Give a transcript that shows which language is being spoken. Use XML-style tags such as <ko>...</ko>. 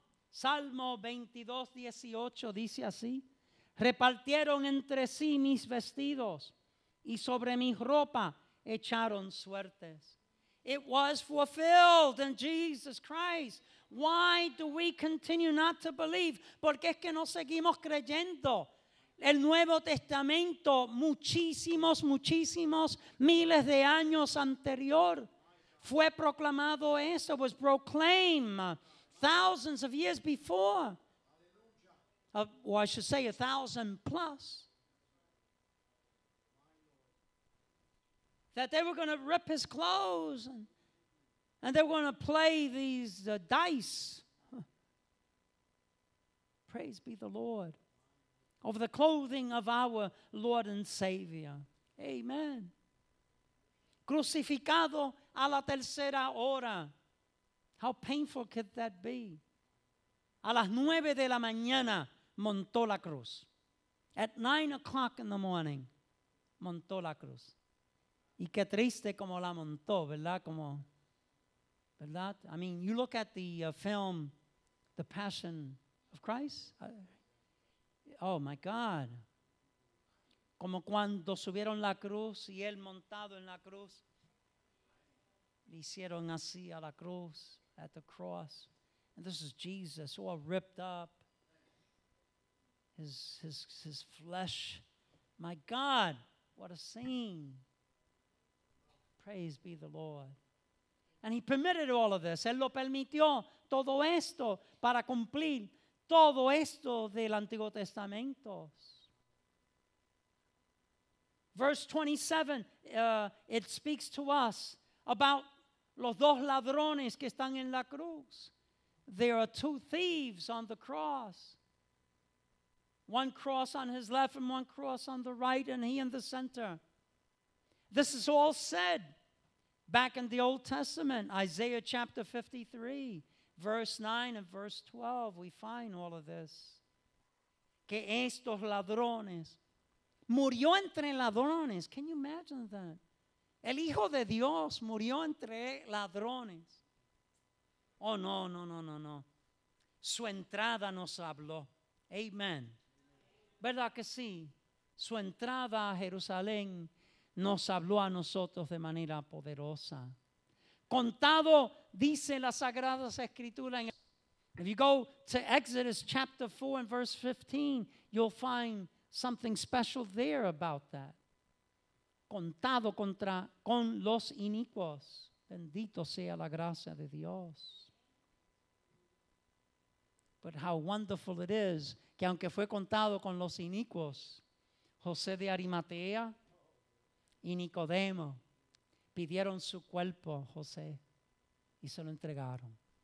<es>Salmo 22:18 dice así. Repartieron entre sí mis vestidos y sobre mi ropa echaron suertes.</es> <en>It was fulfilled in Jesus Christ. Why do we continue not to believe?</en> <es>Porque es que no seguimos creyendo. El Nuevo Testamento, muchísimos miles de años anterior, fue proclamado eso.</es> <en>It was proclaimed thousands of years before. I should say 1,000+. That they were going to rip his clothes and they were going to play these dice. Praise be the Lord. Over the clothing of our Lord and Savior. Amen.</en> <es>Crucificado a la tercera hora.</es> <en>How painful could that be?</en> <es>A las 9 de la mañana montó la cruz.</es> <en>At 9:00 in the morning</en> <es>montó la cruz. Y qué triste como la montó, ¿verdad? Como, ¿verdad?</es> <en>I mean, you look at the film, The Passion of Christ. Oh, my God.</en> <es>Como cuando subieron la cruz y él montado en la cruz. Le hicieron así a la cruz,</es> <en>at the cross. And this is Jesus, all ripped up. His flesh. My God, what a scene. Praise be the Lord. And he permitted all of this.</en> <es>Él lo permitió todo esto para cumplir todo esto del Antiguo Testamento.</es> <en>Verse 27, it speaks to us about</en> <es>los dos ladrones que están en la cruz.</es> <en>There are two thieves on the cross. One cross on his left and one cross on the right, and he in the center. This is all said back in the Old Testament, Isaiah chapter 53, verse 9 and verse 12, we find all of this.</en> <es>Que estos ladrones, murió entre ladrones.</es> <en>Can you imagine that?</en> <es>El Hijo de Dios murió entre ladrones. Oh, no. Su entrada nos habló. Amen. ¿Verdad que sí? Su entrada a Jerusalén nos habló a nosotros de manera poderosa. Contado, dice las Sagradas Escrituras.</es> <en>If you go to Exodus chapter 4 and verse 15, you'll find something special there about that.</en> <es>Contado con los inicuos. Bendito sea la gracia de Dios.</es> <en>But how wonderful it is</en> <es>que aunque fue contado con los inicuos, José de Arimatea y Nicodemo pidieron su cuerpo a José y se lo entregaron.</es>